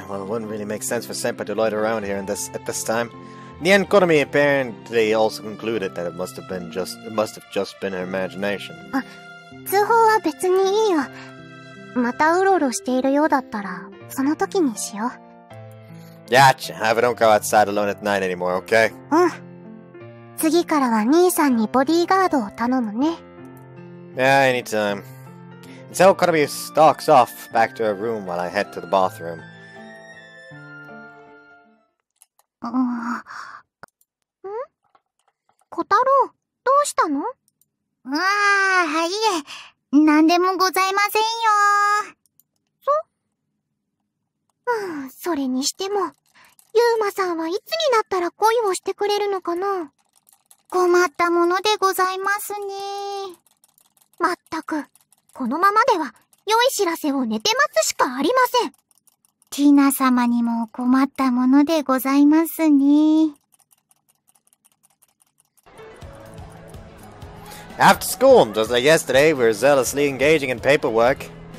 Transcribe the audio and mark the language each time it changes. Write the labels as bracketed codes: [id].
[en] Well, it wouldn't really make sense for Senpai to loiter around here at this time. The end, Konami apparently also concluded that it must have just been her imagination. [ja] あ、通報は別にいいよ。またうろうろしているようだったら、その時にしよう。 [en] Gotcha. I don't go outside alone at night anymore, okay? [ja] うん。次からは兄さんにボディーガードを頼むね。 [en] Yeah, anytime. And so Konami stalks off back to her room while I head to the bathroom. [ja] Kotaro, どうしたの？はい、なんでもございませんよ。そ？それにしても、ユーマさんはいつになったら恋をしてくれるのかな？困ったものでございますね。まったく。このままでは、良い知らせを寝て待つしかありません。ティナ様にも困ったものでございますね。 [en] After school, just like yesterday, we're zealously engaging in paperwork.